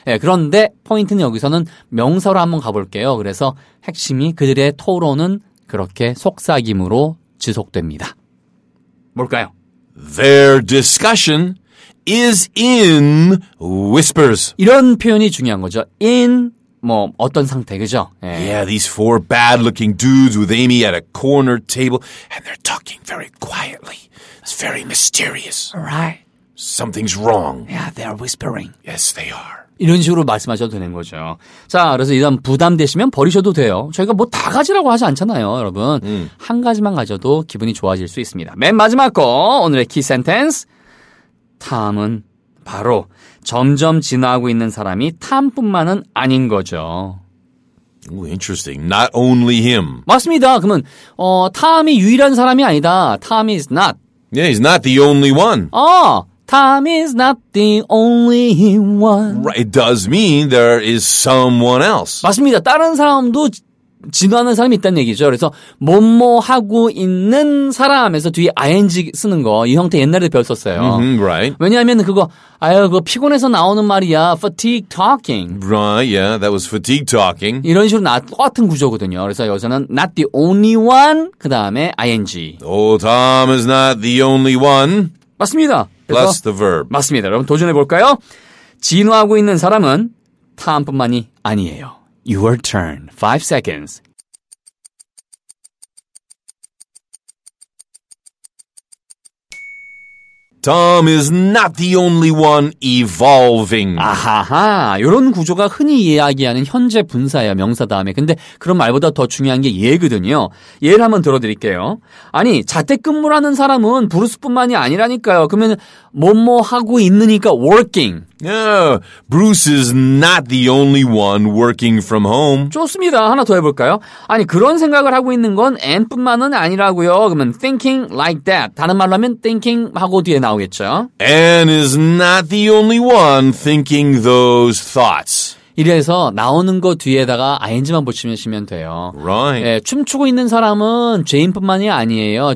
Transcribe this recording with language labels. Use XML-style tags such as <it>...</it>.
<ko>네, 그런데 포인트는 여기서는 명사로 한번 가볼게요. 그래서 핵심이 그들의 토론은 그렇게 속삭임으로 지속됩니다. 뭘까요?</ko> <en>Their discussion is in whispers.</en> <ko>이런 표현이 중요한 거죠. In 뭐 어떤 상태 그죠? 예.</ko> <en>Yeah, these four bad-looking dudes with Amy at a corner table, and they're talking very quietly. It's very mysterious. Right. Something's wrong. Yeah, they are whispering. Yes, they are.</en> <ko>이런 식으로 말씀하셔도 되는 거죠. 자, 그래서 일단 부담되시면 버리셔도 돼요. 저희가 뭐 다 가지라고 하지 않잖아요, 여러분. 한 가지만 가져도 기분이 좋아질 수 있습니다. 맨 마지막 거 오늘의 키 센텐스. 탐은 바로 점점 진화하고 있는 사람이 탐뿐만은 아닌 거죠.</ko> <en>Oh, interesting. Not only him.</en> <ko>맞습니다. 그러면 탐이 유일한 사람이 아니다.</ko> <en>Tom is not. Yeah, he's not the only one. Tom is not the only one. Right, it does mean there is someone else.</en> <ko>맞습니다. 다른 사람도 진화하는 사람이 있다는 얘기죠. 그래서 뭐뭐 하고 있는 사람에서 뒤에 ing 쓰는 거 이 형태 옛날에도 배웠었어요.</ko> <en>Mm-hmm, right.</en> <ko>왜냐하면 그거 아유 그거 피곤해서 나오는 말이야.</ko> <en>Fatigue talking. Right. Yeah. That was fatigue talking.</en> <ko>이런 식으로 똑같은 구조거든요. 그래서 여기서는</ko> <en>not the only one</en> <ko>그 다음에 ing.</ko> <en>Oh, Tom is not the only one.</en> <ko>맞습니다.</ko> <en>Plus the verb.</en> <ko>맞습니다. 여러분 도전해 볼까요? 진화하고 있는 사람은 Tom뿐만이 아니에요.</ko> <en>Your turn. 5 seconds. Tom is not the only one evolving. 아하하.</en> <ko>이런 구조가 흔히 이야기하는 현재 분사예요. 명사 다음에. 근데 그런 말보다 더 중요한 게 예거든요. 예를 한번 들어드릴게요. 아니, 자택근무라는 사람은 브루스뿐만이 아니라니까요. 그러면 뭐뭐 하고 있느니까 working.</ko> <en>Yeah, Bruce is not the only one working from home.</en> <ko>좋습니다. 하나 더 해볼까요? 아니, 그런 생각을 하고 있는 건 and뿐만은 아니라고요. 그러면</ko> <en>thinking like that.</en> <ko>다른 말로 하면 thinking 하고 뒤에 나오겠죠.</ko> <en>And is not the only one thinking those thoughts.</en> <ko>이래서 나오는 거 뒤에다가 ing만 붙이시면 돼요.</ko> <en>Right.</en> <ko>예, 춤추고 있는 사람은 제인뿐만이 아니에요.</ko>